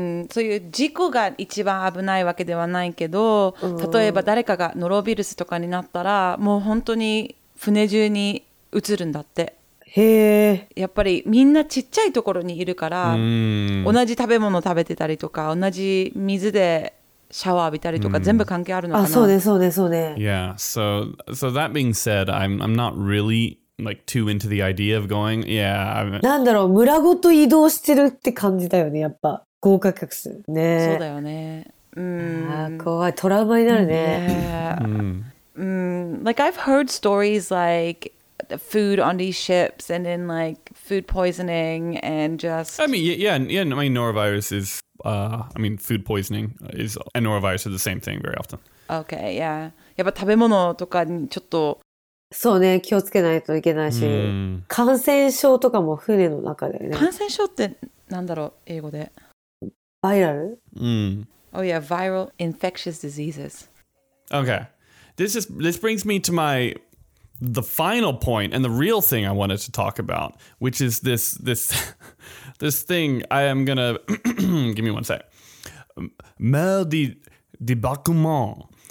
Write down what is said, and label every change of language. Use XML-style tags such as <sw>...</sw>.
<ja>そういう事故が一番危ないわけではないけど、例えば誰かがノロウイルスとかになったら、もう本当に船中に移るんだって。へえ。やっぱりみんなちっちゃいところにいるから、同じ食べ物食べてたりとか、同じ水でシャワー浴びたりとか全部関係あるのかな。あ、そうね、そうね、そうね。</ja> <en>Yeah, so that being said, I'm not really like too into the idea of going. Yeah.</en> <ja>なんだろう、村ごと移動してるって感じだよね、やっぱ豪華客船ね。そうだよね。あ、怖い、トラウマになるね。</ja> <en>Like I've heard stories like the food on these ships and then like food poisoning and just. I mean, yeah. I mean, norovirus is. I mean, food poisoning is, and norovirus are the same thing very often. Okay, yeah.</en> <ja>やっぱ食べ物とかにちょっと、そうね、気をつけないといけないし、感染症とかも船の中でね。感染症ってなんだろう、英語で。</ja> <en>バイラル？ Oh yeah, viral infectious diseases. Okay, this brings me to the final point and the real thing I wanted to talk about, which is this. This thing, I am gonna... give me one sec. Mal de débarquement.</en>